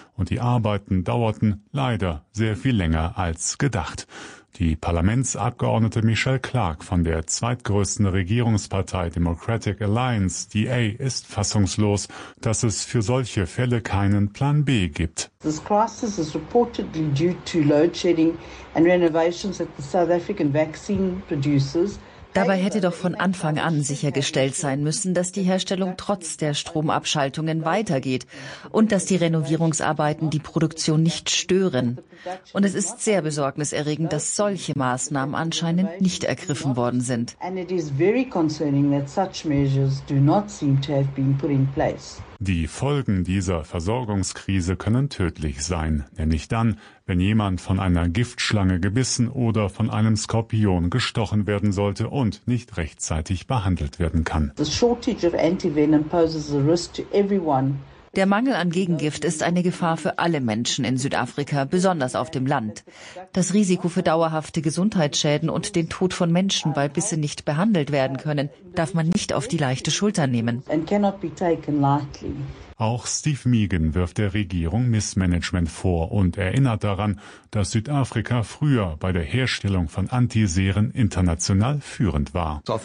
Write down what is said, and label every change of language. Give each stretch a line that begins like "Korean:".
German: Und die Arbeiten dauerten leider sehr viel länger als gedacht. Die Parlamentsabgeordnete Michelle Clark von der zweitgrößten Regierungspartei Democratic Alliance, DA, ist fassungslos, dass es für solche Fälle keinen Plan B gibt.
English: This crisis is reportedly due to load shedding and renovations at the South African vaccine producers.
German: Dabei hätte doch von Anfang an sichergestellt sein müssen, dass die Herstellung trotz der Stromabschaltungen weitergeht und dass die Renovierungsarbeiten die Produktion nicht stören. Und es ist sehr besorgniserregend, dass solche Maßnahmen anscheinend nicht ergriffen worden sind. Die Folgen dieser Versorgungskrise können tödlich sein, nämlich dann, wenn jemand von einer Giftschlange gebissen oder von einem Skorpion gestochen werden sollte und nicht rechtzeitig behandelt werden kann.
English: The shortage of antivenom poses a risk to everyone.
German: Der Mangel an Gegengift ist eine Gefahr für alle Menschen in Südafrika, besonders auf dem Land. Das Risiko für dauerhafte Gesundheitsschäden und den Tod von Menschen, weil Bisse nicht behandelt werden können, darf man nicht auf die leichte Schulter nehmen. Auch Steve Meegan wirft der Regierung Missmanagement vor und erinnert daran, dass Südafrika früher bei der Herstellung von Antiseren international führend war.